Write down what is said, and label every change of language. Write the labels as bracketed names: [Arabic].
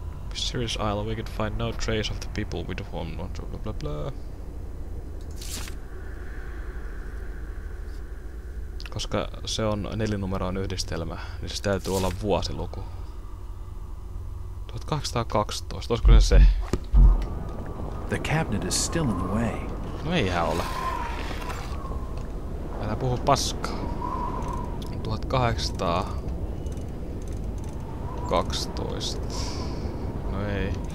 [English] Mysterious Isle, we can find no trace of the people we don't want, blah blah blah blah. [Finnish] Koska se on nelinumeroinen yhdistelmä, niin se täytyy olla vuosiluku. 1812, olisiko se se? [English] The cabinet is still in the way. [Finnish] No eihän ole. Älä puhu paskaa. 1812. No ei.